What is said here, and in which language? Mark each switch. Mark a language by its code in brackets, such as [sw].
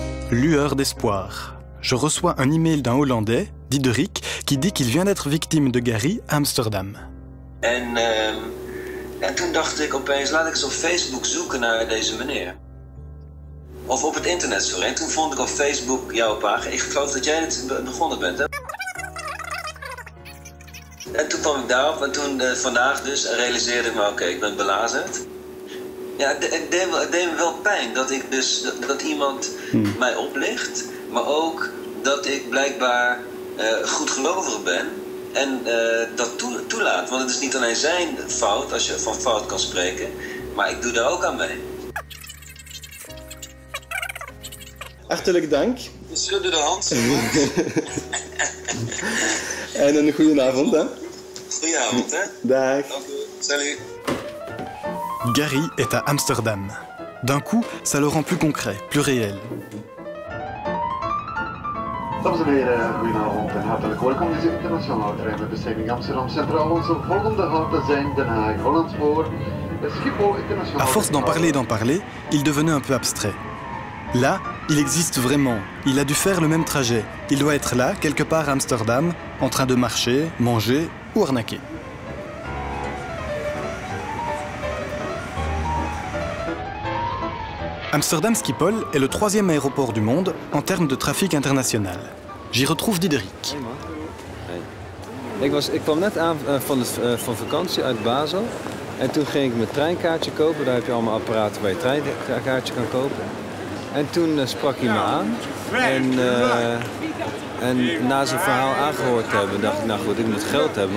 [fr] Lueur d'espoir. Je reçois un email d'un Hollandais, Diederik, qui dit qu'il vient d'être victime de Gary à Amsterdam. [nl] En toen dacht ik opeens, laat ik eens op Facebook zoeken naar deze meneer. Of op het internet, sorry. En toen vond ik op Facebook jouw pagina. Ik geloof dat jij het begonnen bent, hè? En toen kwam ik daarop. En toen vandaag dus realiseerde ik me, oké, ik ben belazerd. Ja, het deed me wel pijn dat ik dus dat iemand mij oplicht. Maar ook dat ik blijkbaar goedgelovig ben. En dat toelaat, want het is niet alleen zijn fout, als je van fout kan spreken, maar ik doe daar ook aan mee. Hartelijk dank. [fr] Monsieur de Hans. [nl] En een goede avond, hè. Goeie avond, hè. Dag. Dank u. [fr] Salut. Gary est à Amsterdam. D'un coup, ça le rend plus concret, plus réel. [nl] Dames en heren, goedenavond en hartelijk welkom in deze internationale trein met bestemming Amsterdam Centraal. Onze volgende halte zijn Den Haag, Holland voor Schiphol Internationaal. [fr] À force d'en parler, il devenait un peu abstrait. Là, il existe vraiment. Il a dû faire le même trajet. Il doit être là, quelque part à Amsterdam, en train de marcher, manger ou arnaquer. Amsterdam Schiphol est le troisième aéroport du monde en termes de trafic international. J'y retrouve Diederik. [en] Hey man. Hey. [nl] Ik kwam net aan van vakantie uit Basel. En toen ging ik mijn treinkaartje kopen. Daar heb je allemaal apparaten waar je treinkaartje kan kopen. En toen sprak hij me aan. En na zijn verhaal aangehoord te hebben, dacht ik, nou goed, ik moet geld hebben.